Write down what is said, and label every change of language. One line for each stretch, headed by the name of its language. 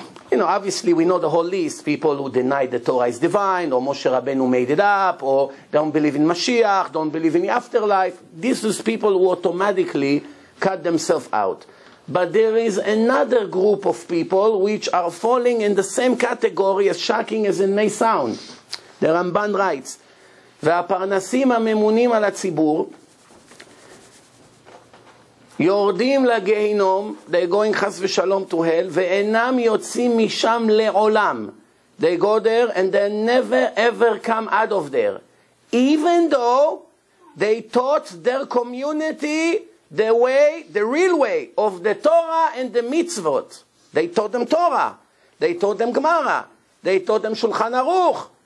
English: You know, obviously we know the whole list, people who deny the Torah is divine, or Moshe Rabbeinu made it up, or don't believe in Mashiach, don't believe in the afterlife. This is people who automatically cut themselves out. But there is another group of people which are falling in the same category, as shocking as it may sound. The Ramban writes,
Hebrew: והפרנסים הממונים על הציבור, יורדים לגיהנום,
English: they going
Hebrew: חס ושלום
English: to hell,
Hebrew: ואינם יוצאים משם לעולם.
English: They go there and they never ever come out of there. Even though they taught their community the way, the real way of the Torah and the mitzvot. They taught them Torah. They taught them Gemara. They taught them Shulchan Aruch.